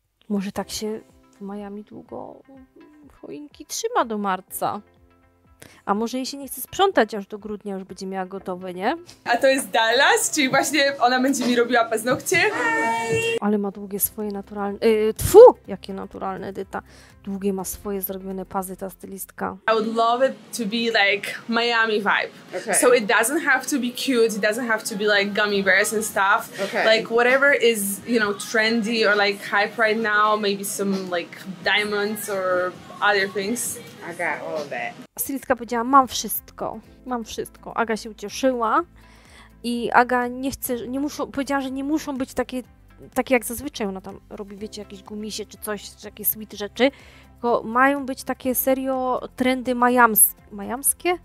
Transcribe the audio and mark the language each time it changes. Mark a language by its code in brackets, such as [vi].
[pl] Może tak się w Miami długo choinki trzyma do marca. A może jej się nie chce sprzątać, aż do grudnia już będzie miała gotowe, nie? A to jest Dallas, czyli właśnie ona będzie mi robiła paznokcie. Hej! Ale ma długie swoje naturalne... Tfu! Jakie naturalne, Edyta. Długie ma swoje zrobione pazy ta stylistka. [en] I would love it to be like Miami vibe. Okay. So it doesn't have to be cute, it doesn't have to be like gummy bears and stuff. Okay. Like whatever is, you know, trendy or like hype right now, maybe some like diamonds or other things. I got all of that. [pl] Stylistka powiedziała, mam wszystko. Mam wszystko. Aga się ucieszyła. I Aga nie chce, nie muszą, powiedziała, że nie muszą być takie jak zazwyczaj ona tam robi, wiecie, jakieś gumisie czy coś, czy takie sweet rzeczy. Tylko mają być takie serio trendy majamskie?